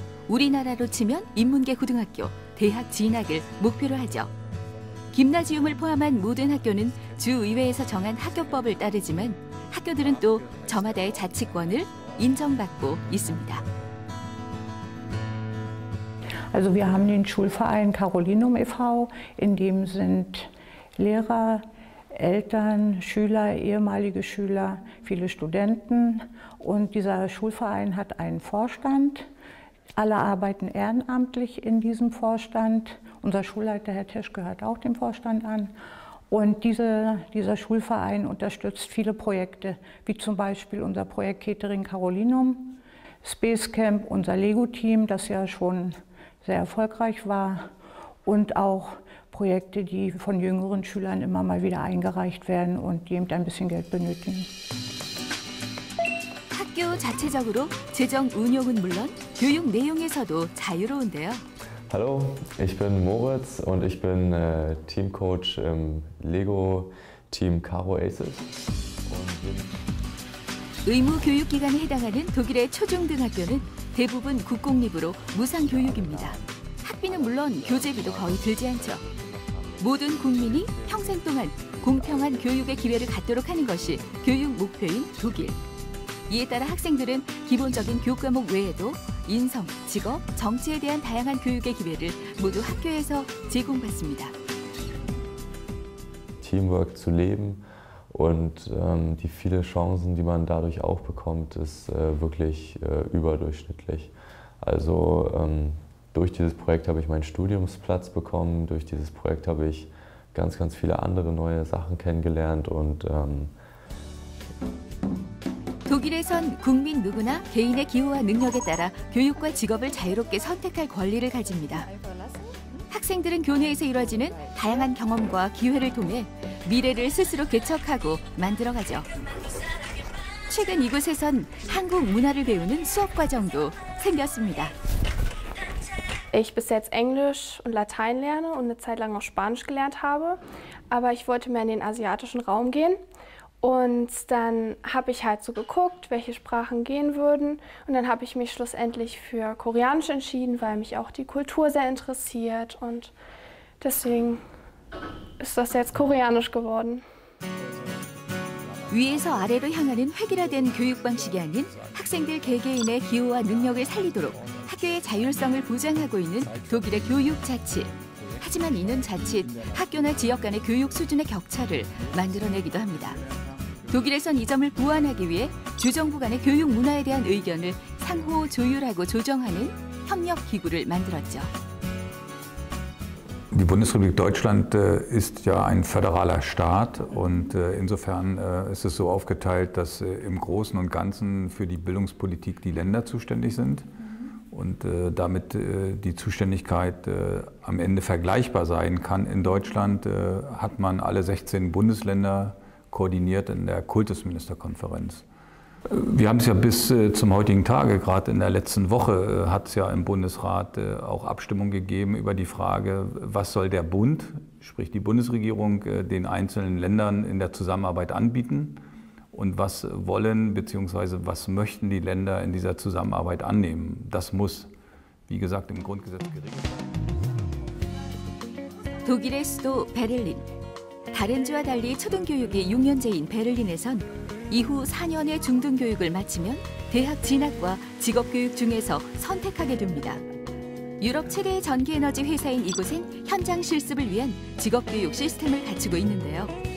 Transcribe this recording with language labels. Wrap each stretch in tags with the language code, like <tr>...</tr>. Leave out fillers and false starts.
<ko>우리나라로 치면 인문계 고등학교, 대학 진학을 목표로 하죠. 김나지움을 포함한 모든 학교는 주의회에서 정한 학교법을 따르지만 학교들은 또 저마다의 자치권을 인정받고 있습니다.</ko> <de>Also wir haben den Schulverein Carolinum e.V., in dem sind Lehrer, Eltern, Schüler, ehemalige Schüler, viele Studenten. Und dieser Schulverein hat einen Vorstand. Alle arbeiten ehrenamtlich in diesem Vorstand. Unser Schulleiter, Herr Tesch, gehört auch dem Vorstand an. Und dieser Schulverein unterstützt viele Projekte, wie zum Beispiel unser Projekt Catering Carolinum, Space Camp, unser Lego-Team, das ja schon sehr erfolgreich war, und auch Projekte, die von jüngeren Schülern immer mal wieder eingereicht werden und die eben ein bisschen Geld benötigen.</de> <ko>학교 자체적으로 재정 운영은 물론 교육 내용에서도 자유로운데요.</ko> <de>Hallo, ich bin Moritz und ich bin Teamcoach im Lego Team Caro Aces.</de> <ko>의무 교육 기관에 해당하는 독일의 초중등학교는 대부분 국공립으로 무상 교육입니다. 학비는 물론 교재비도 거의 들지 않죠. 모든 국민이 평생 동안 공평한 교육의 기회를 갖도록 하는 것이 교육 목표인 독일. 이에 따라 학생들은 기본적인 교과목 외에도 인성, 직업, 정치에 대한 다양한 교육의 기회를 모두 학교에서 제공받습니다.</ko> <de>Teamwork zu leben und die viele Chancen, die man dadurch auch bekommt, ist wirklich überdurchschnittlich. Also durch dieses Projekt habe ich meinen Studiumsplatz bekommen, durch dieses Projekt habe ich ganz, ganz viele andere neue Sachen kennengelernt und</de> <ko>독일에선 국민 누구나 개인의 기호와 능력에 따라 교육과 직업을 자유롭게 선택할 권리를 가집니다. 학생들은 교내에서 이루어지는 다양한 경험과 기회를 통해 미래를 스스로 개척하고 만들어가죠. 최근 이곳에선 한국 문화를 배우는 수업 과정도 생겼습니다.</ko> <de>Ich bis jetzt Englisch und Latein lerne und eine Zeit lang auch Spanisch gelernt habe, aber ich wollte mehr in den asiatischen Raum gehen. Und dann habe ich halt so geguckt, welche Sprachen gehen würden. Und dann habe ich mich schlussendlich für Koreanisch entschieden, weil mich auch die Kultur sehr interessiert. Und deswegen ist das jetzt Koreanisch geworden.</de> <ko>위에서 아래로 향하는 획일화된 교육 방식이 아닌 학생들 개개인의 기호와 능력을 살리도록 학교의 자율성을 보장하고 있는 독일의 교육 자치. 하지만 이는 자칫 학교나 지역 간의 교육 수준의 격차를 만들어내기도 합니다. 독일에선 이 점을 보완하기 위해 주정부 간의 교육 문화에 대한 의견을 상호 조율하고 조정하는 협력 기구를 만들었죠.</ko> <de>Die Bundesrepublik Deutschland ist ja ein föderaler Staat und insofern ist es so aufgeteilt, dass im Großen und Ganzen für die Bildungspolitik die Länder zuständig sind. Und damit die Zuständigkeit am Ende vergleichbar sein kann. In Deutschland hat man alle 16 Bundesländer koordiniert in der Kultusministerkonferenz. Wir haben es ja bis zum heutigen Tage, gerade in der letzten Woche, hat es ja im Bundesrat auch Abstimmung gegeben über die Frage, was soll der Bund, sprich die Bundesregierung, den einzelnen Ländern in der Zusammenarbeit anbieten? Und was wollen bzw. was möchten die Länder in dieser Zusammenarbeit annehmen? Das muss, wie gesagt, im Grundgesetz geregelt werden.</de> <ko>독일의 수도 베를린. 다른 주와 달리 초등교육이 6년제인 베를린에선 이후 4년의 중등교육을 마치면 대학 진학과 직업교육 중에서 선택하게 됩니다. 유럽 최대의 전기에너지 회사인 이곳은 현장 실습을 위한 직업교육 시스템을 갖추고 있는데요.</ko>